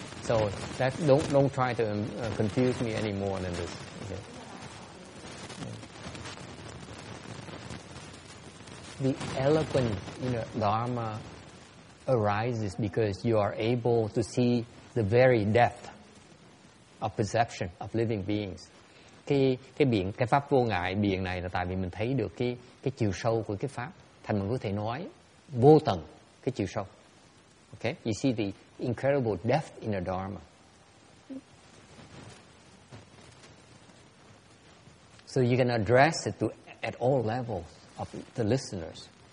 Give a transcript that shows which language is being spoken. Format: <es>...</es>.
<en>So that don't try to confuse me any more than this. Okay. The eloquent, you know, Dharma arises because you are able to see the very depth of perception of living beings.</en> <vi>Cái biển, cái pháp vô ngại biển này là tại vì mình thấy được cái chiều sâu của cái pháp, thành mình có thể nói vô tận cái chiều sâu.</vi> <en>Okay, you see the incredible depth in the Dharma. So you can address it to at all levels of the listeners.</en>